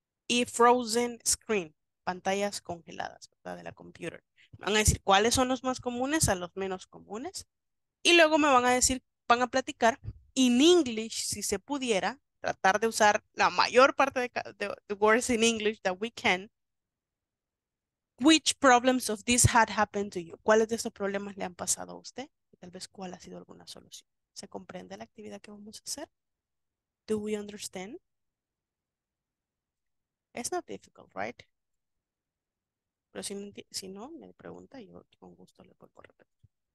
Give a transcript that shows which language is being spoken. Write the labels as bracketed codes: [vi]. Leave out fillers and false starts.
[es] Y [en] frozen screen, [es] pantallas congeladas, ¿verdad? De la computer. Me van a decir cuáles son los más comunes a los menos comunes y luego me van a decir, van a platicar [en] in English, [es] si se pudiera tratar de usar la mayor parte de [en] words in English that we can. Which problems of this had happened to you? [es] ¿Cuáles de estos problemas le han pasado a usted? Y tal vez, ¿cuál ha sido alguna solución? ¿Se comprende la actividad que vamos a hacer? [en] Do we understand? It's not difficult, right? [es] Pero si no, me pregunta, yo con gusto le puedo repetir.